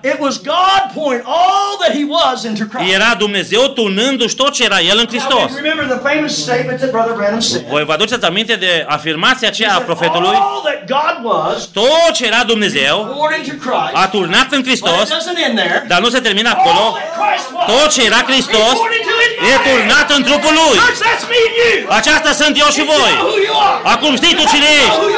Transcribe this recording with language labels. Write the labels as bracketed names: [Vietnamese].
[English] It was God pouring all that he was into Christ. [Romanian] Era Dumnezeu tunându-și tot ce era el în Hristos. [English] Now, remember the famous statement that Brother Branham said. [Romanian] Voi vă aduceți aminte de afirmația aceea a prefetului? [English] All that God was. [Romanian] Tot ce era Dumnezeu. A turnat în Hristos. Dar nu se termină acolo. Tot ce era Hristos. E turnat în trupul lui. Aceasta sunt eu și voi. Acum știi tu cine ești.